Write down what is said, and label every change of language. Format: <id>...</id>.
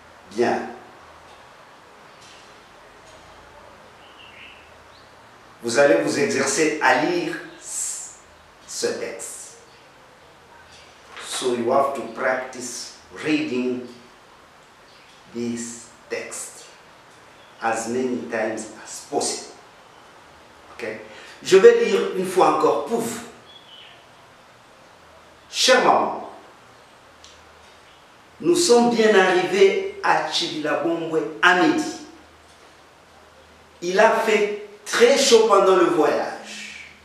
<fr>Bien. vous allez vous exercer à lire ce texte.</fr> <en>So you have to practice reading this text as many times as possible. Okay?</en> <fr>Je vais lire une fois encore pour vous. Chère maman, nous sommes bien arrivés à Chibilabongwe à midi. Il a fait très chaud pendant le voyage.</fr>